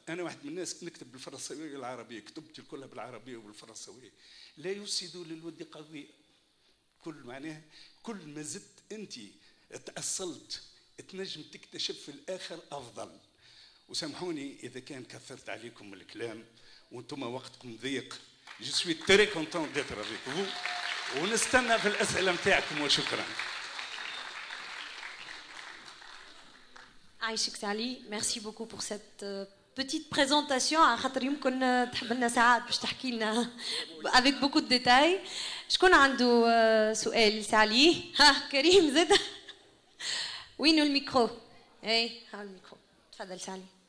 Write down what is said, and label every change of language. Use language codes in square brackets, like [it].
[ar] أنا واحد من الناس نكتب بالفرنسية والعربية، كتبت كلها بالعربية وبالفرنسية، لا يفسد للود قضية. كل معناه كل ما زدت أنت تأصلت تنجم تكتشف الآخر أفضل. وسامحوني إذا كان كثرت عليكم الكلام وأنتم وقتكم ضيق. [fr] Je suis très content d'être avec vous. [ar] ونستنى في الأسئلة متاعكم وشكرا. [fr] عايشك علي، ميرسي بوكو بور سيت بيتيت بريزونطاسيون. [ar] على خاطر يمكن تحب لنا ساعات باش تحكي لنا [fr] افيك بوكو ديتاي. [ar] شكون عنده سؤال لسعلي؟ ها كريم زيد، وين الميكرو؟ اي ها الميكرو، تفضل سعلي.